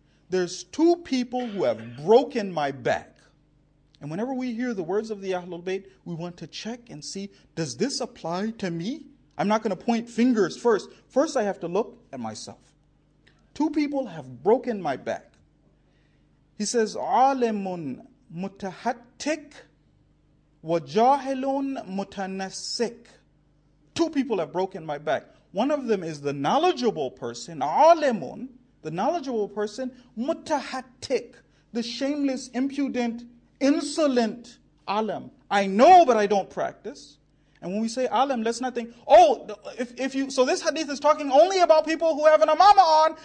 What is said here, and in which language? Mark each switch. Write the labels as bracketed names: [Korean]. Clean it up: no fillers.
[English] There's two people who have broken my back. And whenever we hear the words of the Ahlul Bayt, we want to check and see, does this apply to me? I'm not going to point fingers first. First, I have to look at myself. Two people have broken my back. He says, [Arabic] عَالِمٌ مُتَحَتِّكٌ وَجَاهِلٌ مُتَنَسِّكٌ. [English] Two people have broken my back. One of them is the knowledgeable person, alimun, the knowledgeable person, mutahattik, the shameless, impudent, insolent alim. I know, but I don't practice. And when we say alim, let's not think, oh, so this hadith is talking only about people who have an imama on.